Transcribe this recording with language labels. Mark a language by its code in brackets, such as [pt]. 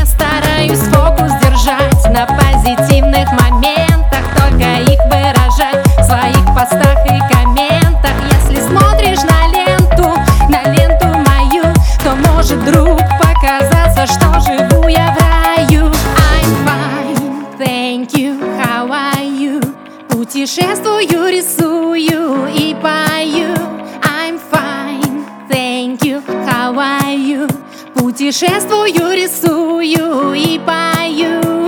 [ru] Стараюсь фокус держать на позитивных моментах, только их выражать в своих постах и комментах. Если смотришь на ленту мою, то может вдруг показаться, что живу я в раю. [en] I'm fine, thank you, how are you? [ru] Путешествую, рисую и пою. [en] I'm fine, thank you, how are you? [ru] Путешествую, рисую и пою.